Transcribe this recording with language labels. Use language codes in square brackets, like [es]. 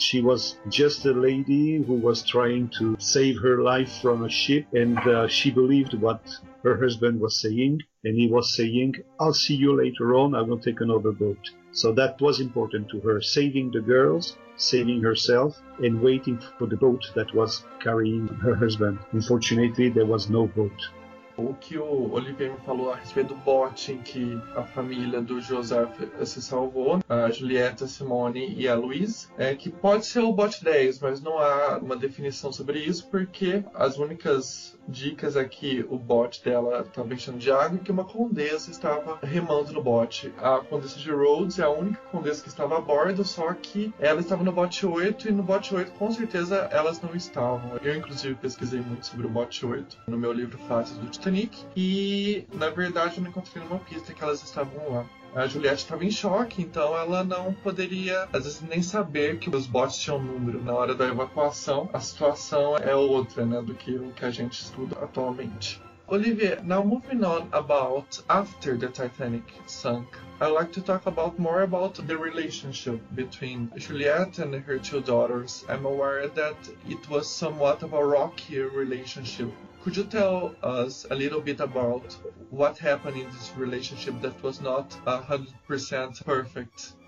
[en] She was just a lady who was trying to save her life from a ship. And she believed what her husband was saying, and he was saying, I'll see you later on, I will take another boat. So that was important to her, saving the girls, saving herself, and waiting for the boat that was carrying her husband. Unfortunately, there was no boat. [pt] O que o Olivier me falou a respeito do bote em que a família do Joseph se salvou, a Julieta, Simone e a Louise, é que pode ser o bote 10, mas não há uma definição sobre isso, porque as únicas dicas é que o bote dela estava enchendo de água e que uma condessa estava remando no bote. A condessa de Rhodes é a única condessa que estava a bordo, só que ela estava no bote 8 e no bote 8 com certeza elas não estavam. Eu inclusive pesquisei muito sobre o bote 8 no meu livro Fases do Titanic e na verdade eu não encontrei nenhuma pista que elas estavam lá. A Juliette estava em choque, então ela não poderia, às vezes, nem saber que os botes tinham número. Na hora da evacuação, a situação é outra, né, do que o que a gente estuda atualmente. [en] Olivier, now moving on about after the Titanic sunk, I'd like to talk about more about the relationship between Juliette and her two daughters. I'm aware that it was somewhat of a rocky relationship. Could you tell us a little bit about what happened in this relationship that was not 100% perfect?